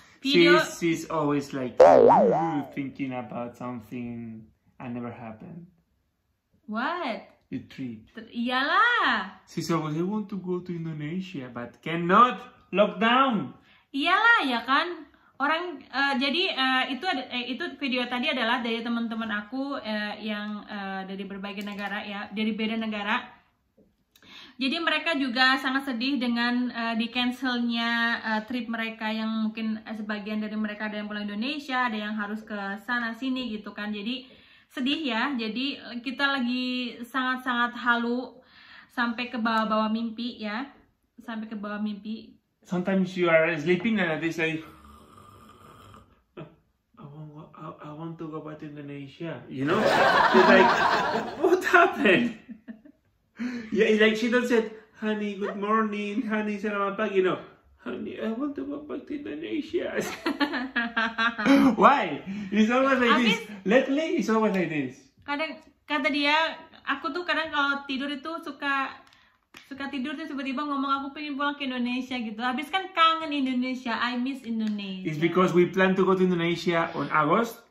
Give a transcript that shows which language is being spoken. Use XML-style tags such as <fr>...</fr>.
<en>She's always like thinking about something and never happened. What? The trip.</en> <id>Iyalah.</id> <en>She's always I want to go to Indonesia but cannot. Lockdown.</en> <id>Iyalah ya kan. Orang itu video tadi adalah dari teman-teman aku yang dari berbagai negara ya, dari beda negara. Jadi mereka juga sangat sedih dengan di cancelnya trip mereka yang mungkin sebagian dari mereka ada yang pulang Indonesia, ada yang harus ke sana sini gitu kan. Jadi sedih ya. Jadi kita lagi sangat-sangat halu sampai ke bawah-bawah mimpi ya. Sampai ke bawah mimpi.</id> <en>Sometimes you are sleeping and they say I want to go back to Indonesia, you know? You're like what happened? Yeah, like she don't said, honey, good morning, honey,</en> <id>selamat pagi,</id> <en>you know, honey, I want to go back to Indonesia. Why? It's always like this. Lately, it's always like this.</en> <id>Kadang, kata dia, aku tuh kadang kalau tidur itu suka tidur tuh tiba-tiba ngomong aku pengen pulang ke Indonesia gitu. Habis kan kangen Indonesia,</id> <en>I miss Indonesia. It's because we plan to go to Indonesia on August.</en>